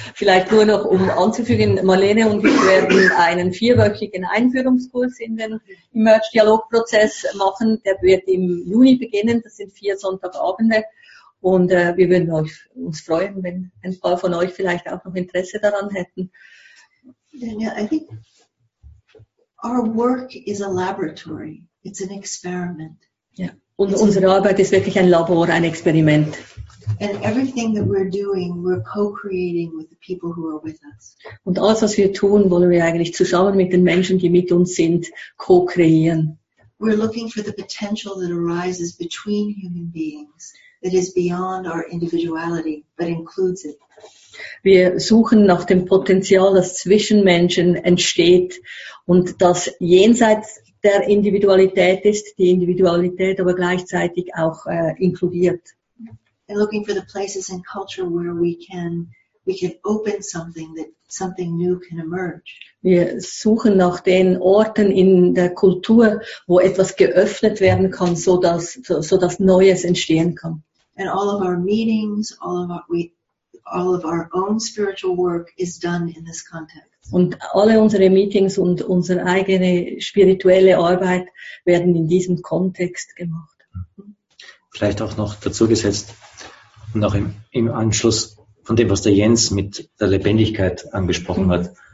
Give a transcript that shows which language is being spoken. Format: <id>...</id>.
<de>Vielleicht nur noch, um anzufügen, Marlene und ich werden einen 4-wöchigen Einführungskurs in den Emerge-Dialog-Prozess machen. Der wird im Juni beginnen. Das sind 4 Sonntagabende. Und wir würden uns freuen, wenn ein paar von euch vielleicht auch noch Interesse daran hätten.</de> <en>Danielle, I think our work is a laboratory. It's an experiment.</en> <de>Ja, und unsere Arbeit ist wirklich ein Labor, ein Experiment.</de> <en>And everything that we're doing, we're co-creating with the people who are with us.</en> <de>Und alles, was wir tun, wollen wir eigentlich zusammen mit den Menschen, die mit uns sind, co-kreieren.</de> <en>We're looking for the potential that arises between human beings. That is beyond our individuality, but includes it.</en> <de>Wir suchen nach dem Potenzial, das zwischen Menschen entsteht und das jenseits der Individualität ist, die Individualität aber gleichzeitig auch inkludiert.</de> <en>And looking for the places in culture where we can open something that something new can emerge.</en> <de>Wir suchen nach den Orten in der Kultur, wo etwas geöffnet werden kann, so dass Neues entstehen kann.</de> <en>And all of our meetings, all of our own spiritual work is done in this context.</en> <de>Und alle unsere Meetings und unsere eigene spirituelle Arbeit werden in diesem Kontext gemacht. Vielleicht auch noch dazu gesetzt und auch im Anschluss von dem, was der Jens mit der Lebendigkeit angesprochen hat.</de>